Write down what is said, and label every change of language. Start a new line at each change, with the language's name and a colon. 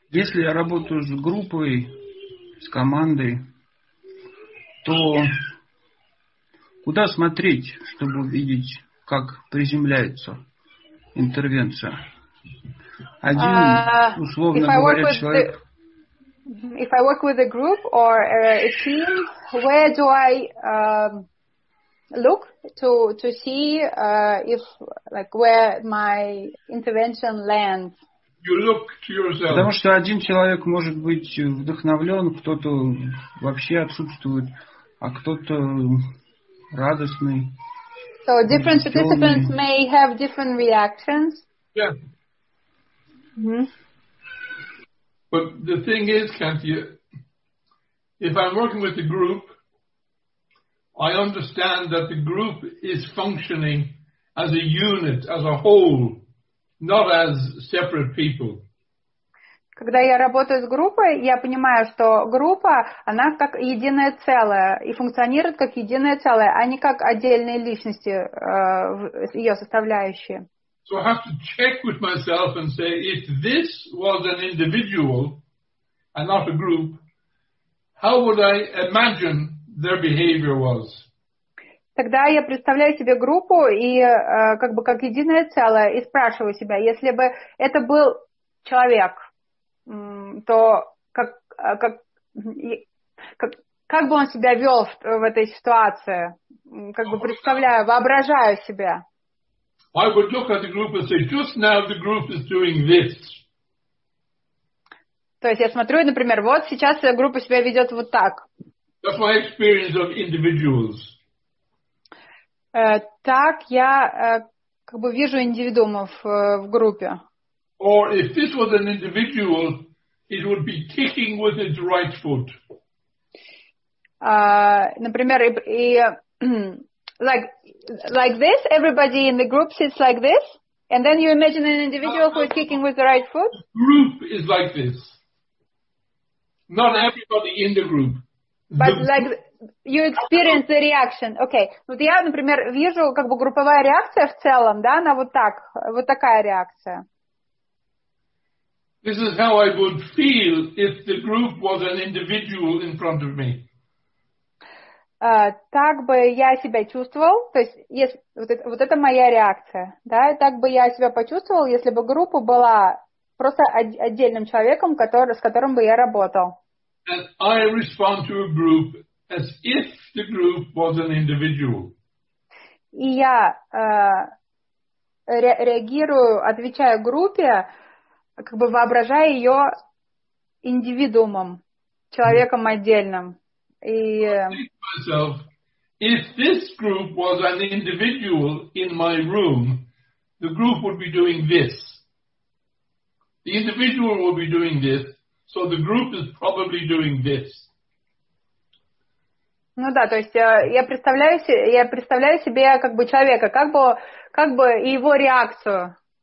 Russian: Если я работаю с группой, с командой, то куда смотреть, чтобы увидеть, как приземляется интервенция. Один, условно говоря, человек...
English: If I work with a group or a team, where do I look to see if, like, where my intervention lands? You look to yourself.
Russian: Потому что один человек может быть вдохновлен, кто-то вообще отсутствует, а кто-то радостный.
English: So different participants may have different reactions. Yeah. But the thing is, Katya, if I'm working with a group, I understand that the group is functioning as a unit, as a whole, not as separate people.
Russian: Когда я работаю с группой, я понимаю, что группа, она как единое целое и функционирует как единое целое, а не как отдельные личности, ее составляющие.
English: So I have to check with myself and say, if this was an individual and not a group, how would I imagine their behavior was?
Russian: Тогда я представляю себе группу и как бы как единое целое и спрашиваю себя, если бы это был человек, то как бы он себя вел в этой ситуации? Как бы представляю, воображаю себя.
English: I would look at the group and say, just now the group is doing this.
Russian: То есть я смотрю, например, вот сейчас группа себя ведет вот так.
English: That's my experience of individuals.
Russian: Так я как бы вижу индивидуумов в группе.
English: Or if this was an individual, it would be kicking with its right foot.
Russian: Например,
English: like this, everybody in the group sits like this, and then you imagine an individual who is kicking with the right foot. Group is like this. Not everybody in the group. But you experience the reaction. Okay.
Russian: Вот я, например, вижу как бы групповая реакция в целом, да, она вот так, вот такая реакция.
English: This is how I would feel if the group was an individual in front of me.
Russian: Так бы я себя чувствовал, то есть если, вот это моя реакция, да, так бы я себя почувствовал, если бы группа была просто отдельным человеком, с которым бы я работал.
English: And I respond to a group as if the group was an individual.
Russian: И я реагирую, отвечаю группе, как бы воображая ее индивидуумом, человеком отдельным. И
English: myself, if this group was an individual in my room, the group would be doing this. The individual would be doing this, so the group is probably doing this.
Russian: Ну да, то есть я представляю себе как бы человека, как бы его реакцию.